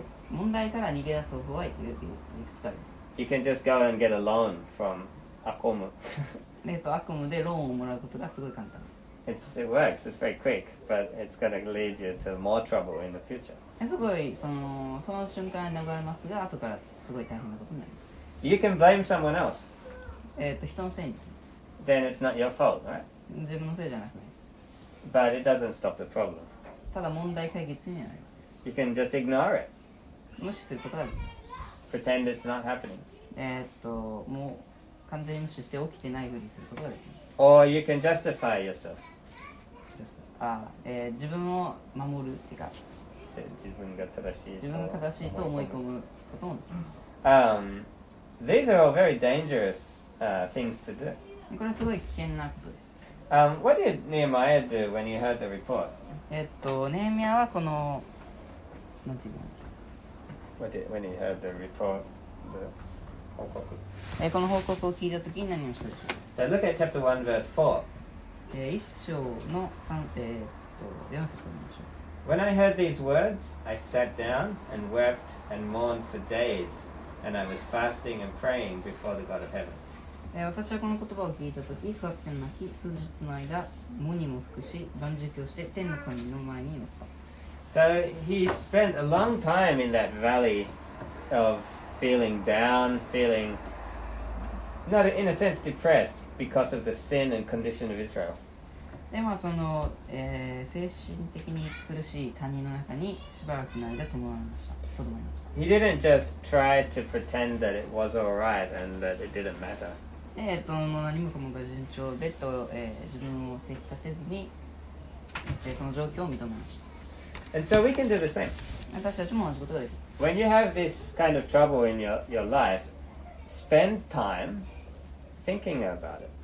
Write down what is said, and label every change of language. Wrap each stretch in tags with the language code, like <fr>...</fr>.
<ja>問題から逃げ出す方法はいくつかあります。</ja> <en>You can just go and get a loan from Akomu.</en> <ja>Akomu でローンをもらうことがすごい簡単です。</ja> <en>It works, it's very quick, but it's going to lead you to more trouble in the future.</en> <ja>すごい、その瞬間に流れますが、後からすごい大変なことになります。</ja> <en>You can blame someone else.</en> <ja>人のせいにします。</ja> <en>Then it's not your fault, right?</en> <ja>自分のせいじゃなくない。</ja> <en>But it doesn't stop the problem.</en> <ja>ただ問題解決にはなります。</ja> <en>You can just ignore it.</en> <ja>無視することができます。</ja> <en>Pretend it's not happening.</en> <ja>もう完全に無視して起きてないふりすることができます。</ja> <en>Or you can justify yourself.</en> <ja>Justify. 自分を守るってか。自分が正しい。自分が正しいと思い込むこともできます。</ja> <en>These are all very dangerous things to do.</en> <ja>これはすごい危険なことです。</ja> <en>What did Nehemiah do when he heard the report?</en> <ja>ネヘミヤはこの、なんていうの。</ja> <en>When he heard the report, the 報告。</en> <ja>この報告を聞いたときに何をしたでしょうか。</ja> <en>So look at chapter 1 verse</en> <ja>4. 1章の3、4節を見ましょう。</ja> <en>When I heard these words, I sat down and wept and mourned for days, and I was fasting and praying before the God of heaven.</en> <ja>私はこの言葉を聞いたとき、昨夜の泣き、数日の間、喪にも服し、断食をして、天の神の前に祈った。</ja> <en>So he spent a long time in that valley of feeling down, feeling not in a sense depressed because of the sin and condition of Israel.</en> <ja>でまあその、精神的に苦しい谷の中にしばらくの間とどまりました。</ja> <en>He didn't just try to pretend that it was all right and that it didn't matter.</en> <ja>何もかもが順調でと、自分を正気立てずに、その状況を認めました。</ja> <en>And so we can do the same.</en> <ja>私たちも同じことができる。</ja> <en>When you have this kind of trouble in your life,Spend time thinking about it.</en>